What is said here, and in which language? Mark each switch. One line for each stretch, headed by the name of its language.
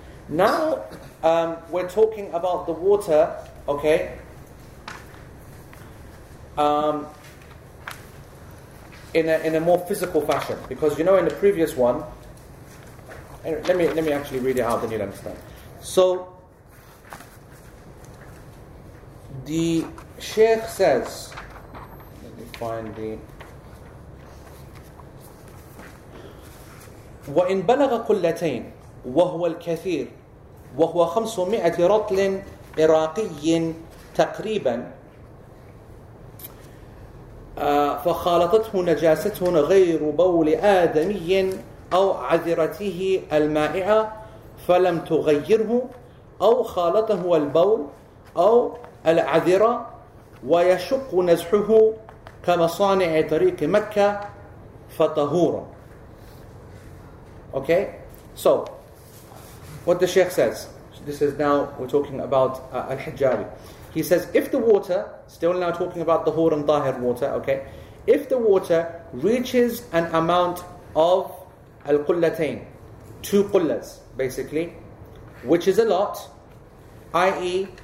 English: Now, we're talking about the water, okay... In a more physical fashion, because you know in the previous one, let me actually read it out, then you'll understand. So the Sheikh says, let me find the
Arabic: وَإِن بَلَغَ قُلَّتَيْن وَهُوَ الْكَثِيرُ وَهُوَ 500 رَطْلٍ إِرَاقِيٍ تَقْرِيبًا فخالطته نجاسة غير بول آدمي أو عذرته المائعة فلم تغيره أو خالطه البول أو العذرة ويشق نزحه كمصانع طريق مكة فطهور.
English: Okay, so what the Sheikh says, this is now we're talking about Al-Hijjawi. He says, if the water, still now talking about the Hur and Dahir water, okay, if the water reaches an amount of Al-Qullatain, two Qullas, basically, which is a lot, i.e.